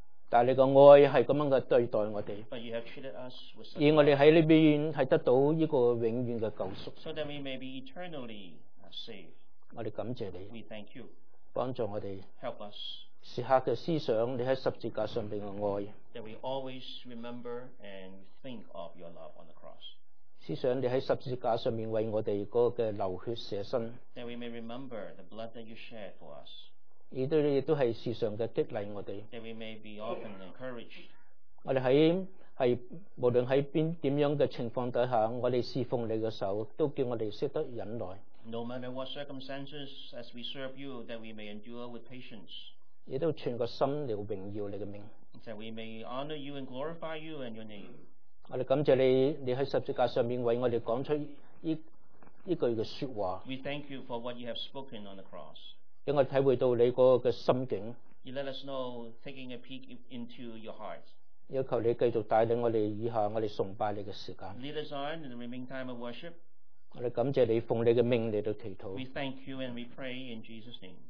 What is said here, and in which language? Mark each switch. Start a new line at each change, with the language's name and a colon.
Chinese: 但你的爱是这样的对待我们，而我们在这边是得到这个永远的救赎，所以我们可以
English: eternally save。
Chinese: 我们感谢你，
English: we thank you，
Chinese: 帮助我们，
English: help us，
Chinese: 时刻的思想你在十字架上面的爱，
English: that we always remember and think of your love on the cross，
Chinese: 思想你在十字架上面为我们那个流血舍身，
English: that we may remember the blood that you shed for us，
Chinese: 亦都是时常的激励我们，
English: that we may be often encouraged。
Chinese: 我们在无论在怎样的情况底下，我们侍奉你的时候都叫我们懂得忍耐，
English: no matter what circumstances as we serve you that we may endure with patience，
Chinese: 亦都全个心来荣耀你的名，
English: that we may honor you and glorify you and your name。
Chinese: 我们感谢你，你在十字架上面为我们讲出 这句的说话，
English: we thank you for what you have spoken on the cross，
Chinese: 让我们体会到你那个心境，
English: you let us know taking a peek into your heart，
Chinese: 要求你继续带领我们以下我们崇拜你的时间，
English: lead us on in the remaining time of worship，
Chinese: 我们感谢你奉你的命来到祈祷，
English: we thank you and we pray in Jesus name，